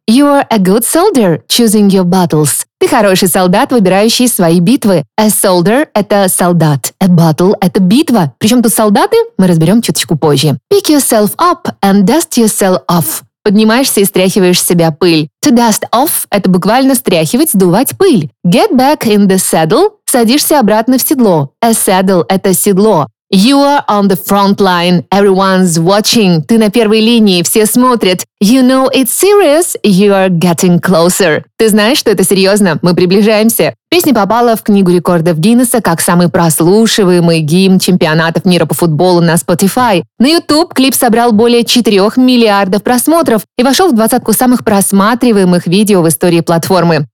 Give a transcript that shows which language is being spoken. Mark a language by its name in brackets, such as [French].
[English] You are a good soldier, choosing your battles. [Russian] Ты хороший солдат, выбирающий свои битвы. [English] A soldier [Russian] – это солдат. [English] A battle [Russian] – это битва. Причем тут солдаты, мы разберем чуточку позже. [English] Pick yourself up and dust yourself off. [Russian] Поднимаешься и стряхиваешь с себя пыль. [English] To dust off [Russian] – это буквально стряхивать, сдувать пыль. [English] Get back in the saddle – [Russian] садишься обратно в седло. [English] A saddle [Russian] – это седло. [English] You are on the front line, everyone's watching. [Russian] Ты на первой линии, все смотрят. [English] You know it's serious, you are getting closer. [Russian] Ты знаешь, что это серьезно, мы приближаемся. Песня попала в книгу рекордов Гиннесса как самый прослушиваемый гимн чемпионатов мира по футболу на Spotify. На YouTube клип собрал более 4 миллиардов просмотров и вошел в двадцатку самых просматриваемых видео в истории платформы.